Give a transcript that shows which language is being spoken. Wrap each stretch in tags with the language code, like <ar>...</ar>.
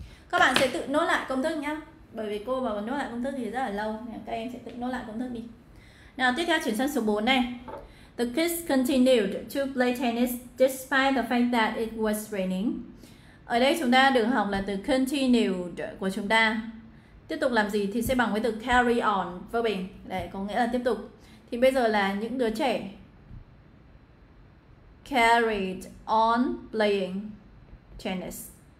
<vi>Các bạn sẽ tự nốt lại công thức nhá, bởi vì cô mà nốt lại công thức thì rất là lâu. Các em sẽ tự nốt lại công thức đi. Nào, tiếp theo chuyển sang số 4 này.</vi> <en>The kids continued to play tennis despite the fact that it was raining.</en> <vi>Ở đây chúng ta được học là từ continued của chúng ta. Tiếp tục làm gì thì sẽ bằng với từ carry on verbing. Đấy, có nghĩa là tiếp tục. Thì bây giờ là những đứa trẻ carried on playing tennis.</vi>